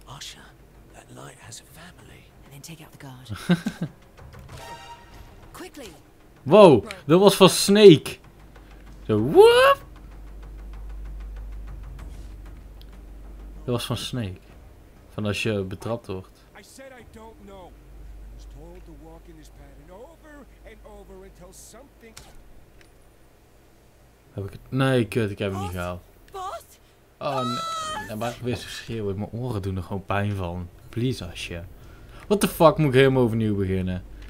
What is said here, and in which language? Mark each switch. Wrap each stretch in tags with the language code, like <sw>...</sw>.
<en>Asha, that light has a family. And then take out the guard.</en> <nl>Wow, dat was van Snake. Zo, woop. Dat was van Snake. Van als je betrapt wordt.</nl> <en>I said I don't know. I was told to walk in this pattern over and over until something.</en> <nl>Heb ik het? Nee, kut, ik heb hem niet gehaald.</nl> <en>Boss?</en> <nl>Oh nee. Nee, maar weer zo schreeuwen. Mijn oren doen er gewoon pijn van. Please, Asje. What the fuck, moet ik helemaal overnieuw beginnen?</nl>